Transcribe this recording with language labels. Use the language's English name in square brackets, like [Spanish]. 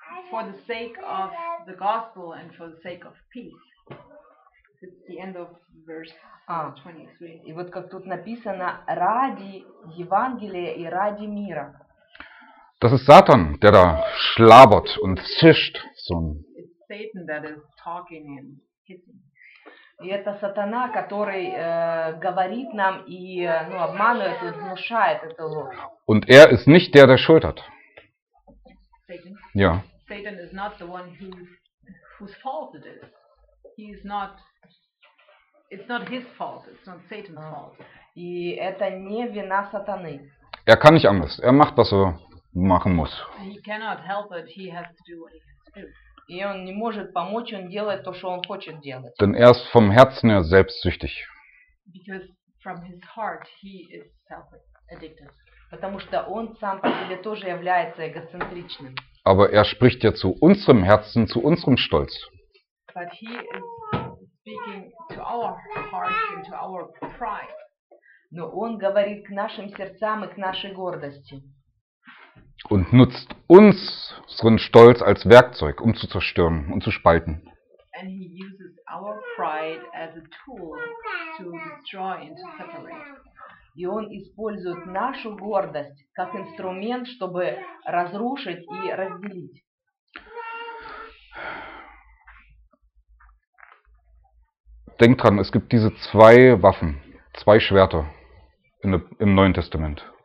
[English] For the sake of the gospel and for the sake of peace. It's the end of verse 23. [Russian] И вот как тут написано, ради Евангелия и ради мира. [German] Das ist Satan, der da schlabbert und zischt. So. [English] It's Satan that is talking and hissing. [Russian] И это сатана, который говорит нам и ну, обманывает и внушает эту ложь. [German] Und er ist nicht der, der schuldet. Satan. Ja. [English] Satan is not the one who, whose fault it is. He is not. It's not his fault. It's not Satan's fault. [Russian] И это не вина сатаны. [German] Er kann nicht anders. Er macht, was er machen muss. [English] He cannot help it. He has to do what he has to do. [Russian] И он не может помочь, он делает то, что он хочет делать. [German] Denn er ist vom Herzen her selbstsüchtig. [English] Because from his heart he is self-addicted. [Russian] Потому что он сам по себе тоже является эгоцентричным. [German] Aber er spricht ja zu unserem Herzen, zu unserem Stolz. [English] But he is speaking to our hearts and to our pride. [Russian] Но он говорит к нашим сердцам и к нашей гордости. [German] Und nutzt uns, unseren Stolz, als Werkzeug, um zu zerstören und zu spalten. [English] And he uses our pride as a tool to destroy and to separate. [Russian] И он использует нашу гордость как инструмент, чтобы разрушить и разделить. [German] Denk dran, es gibt diese zwei Waffen, zwei Schwerter im Neuen Testament.